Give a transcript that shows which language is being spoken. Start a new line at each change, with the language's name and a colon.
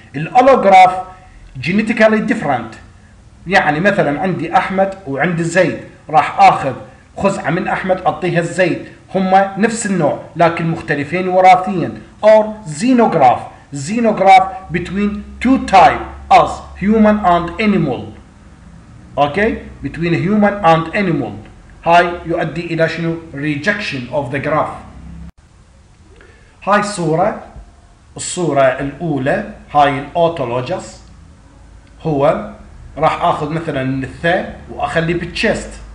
Arabic: الالوغراف
English: genetically different،
Arabic: يعني مثلا عندي احمد وعندي زيد، راح اخذ خزعة من احمد اعطيها الزيد، هما نفس النوع لكن مختلفين وراثيا.
English: or xenograft between two type as human and animal. Okay, between human and animal.
Arabic: هاي يؤدي إلى شنو؟
English: rejection of the graft.
Arabic: هاي صورة، الصورة الأولى هاي الأوتولوجس، هو راح أخذ مثلا النثة وأخلي بالتشست.